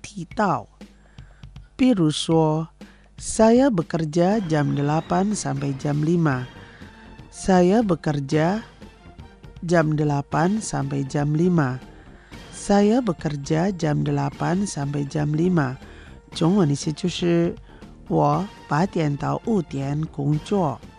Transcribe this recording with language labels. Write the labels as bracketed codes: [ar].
[zh] 中文意思就是除了周日以外，我每天都学习。规定中，表示时间你可以用sampai，意思就是提到。比如说， [id] saya bekerja jam 8 sampai jam 5. Saya bekerja jam 8 sampai jam 5. Saya bekerja jam 8 sampai jam 5. [zh] 中文意思就是我8点到5点工作。